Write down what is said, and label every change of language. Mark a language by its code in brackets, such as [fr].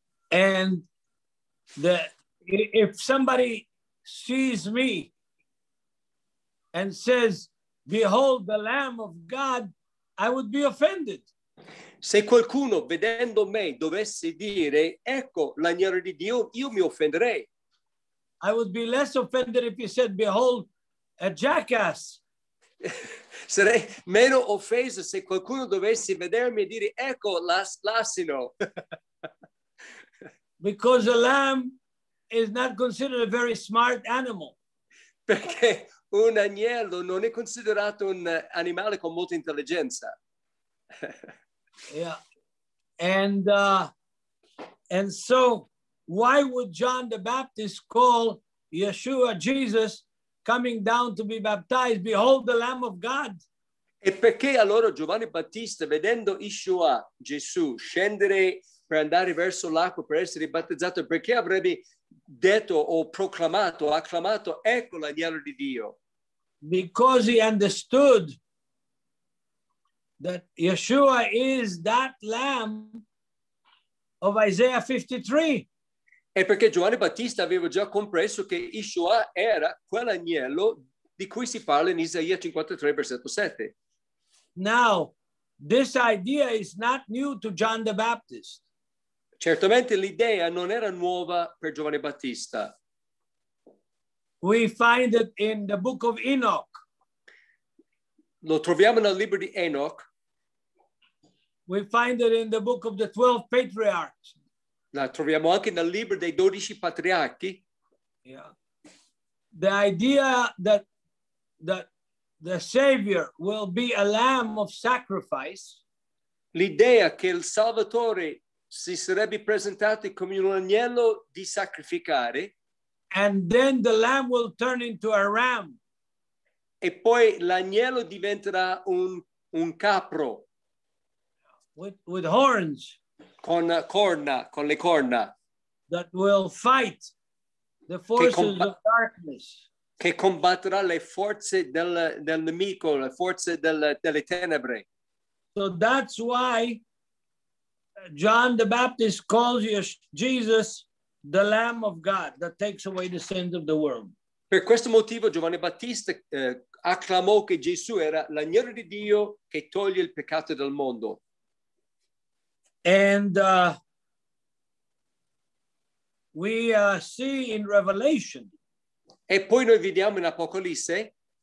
[en] And if somebody sees me and says, behold the Lamb of God, I would be offended. [it] Se qualcuno vedendo me dovesse dire, ecco l'agnello di Dio, io mi offenderei. [en] I would be less offended if you said, behold a jackass. [it] Sarei meno offeso se qualcuno dovesse vedermi e dire, ecco l'asino. [en] Because a lamb is not considered a very smart animal. [it] Perché un agnello non è considerato un animale con molta intelligenza. [en] Yeah. And so why would John the Baptist call Yeshua Jesus coming down to be baptized, behold the Lamb of God? [it] E perché allora Giovanni Battista, vedendo Yeshua, Gesù, scendere per andare verso l'acqua per essere battezzato, perché avrebbe detto o proclamato, acclamato, ecco l'agnello di Dio? [en] Because he understood that Yeshua is that Lamb of Isaiah 53. [it] E perché Giovanni Battista aveva già compreso che Yeshua era quell'agnello di cui si parla in Isaia 53, versetto 7. [en] Now, this idea is not new to John the Baptist. [it] Certamente l'idea non era nuova per Giovanni Battista. [en] We find it in the book of Enoch. [it] Lo troviamo nel libro di Enoch. [en] We find it in the book of the 12 patriarchs. [it] La troviamo anche nel libro dei 12 patriarchi. [en] Yeah. The idea that the Savior will be a lamb of sacrifice. [it] L'idea che il Salvatore si sarebbe presentato come un agnello di sacrificare. [en] And then the lamb will turn into a ram. [it] E poi l'agnello diventerà un capro. [en] With horns. [it] Con corna, con le corna. [en] That will fight the forces of darkness. [it] Che combatterà le forze del nemico, le forze delle tenebre. [en] So that's why John the Baptist calls Jesus the Lamb of God that takes away the sins of the world. [it] Per questo motivo Giovanni Battista acclamò che Gesù era l'agnello di Dio che toglie il peccato del mondo. [en] And we see in Revelation. [it] E poi noi vediamo in Apocalisse.